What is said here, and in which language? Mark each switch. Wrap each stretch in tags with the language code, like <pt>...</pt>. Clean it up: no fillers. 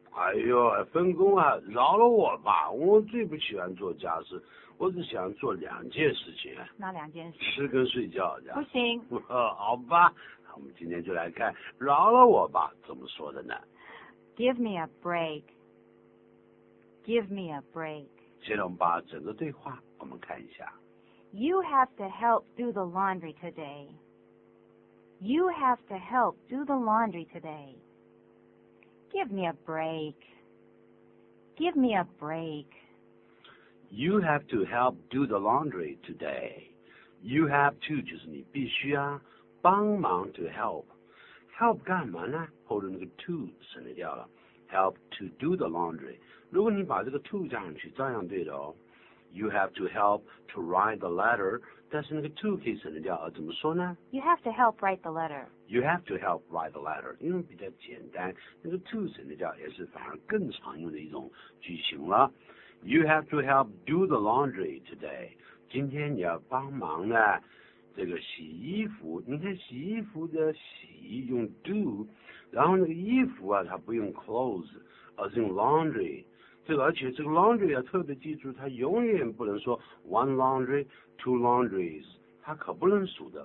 <zh>哎呦，分工啊，饶了我吧，我最不喜欢做家事，我只喜欢做两件事情。哪两件事？吃跟睡觉。这样不行。好吧，我们今天就来看饶了我吧怎么说的呢。</zh> <en>Give me a break. Give me a break.</en> <zh>现在我们把整个对话我们看一下。</zh> <en>You have to help do the laundry today. You have to help do the laundry today. Give me a break. Give me a break. You have to help do the laundry today. You have to</en> <zh>就是你必须啊，帮忙</zh> <en>to help.</en> <zh>Help 干嘛呢？后头那个 to 省略掉了。</zh> <en>Help to do the laundry.</en> <zh>如果你把这个 to 加上去，照样对的哦。</zh> <en>You have to help to write the letter.</en> <zh>但是那个 to 可以省略掉，怎么说呢？</zh> <en>You have to help write the letter. You have to help write the letter.</en> <zh>因为比较简单，那个 to 省略掉也是反而更常用的一种句型了。</zh> <en>You have to help do the laundry today.</en> <zh>今天你要帮忙呢。这个洗衣服，你看洗衣服的洗用 do， 然后那个衣服啊，它不用 clothes， 而是用 laundry。这个而且这个 laundry 要特别记住，它永远不能说</zh> <en>one laundry， two laundries，</en> <zh>它可不能数的。</zh>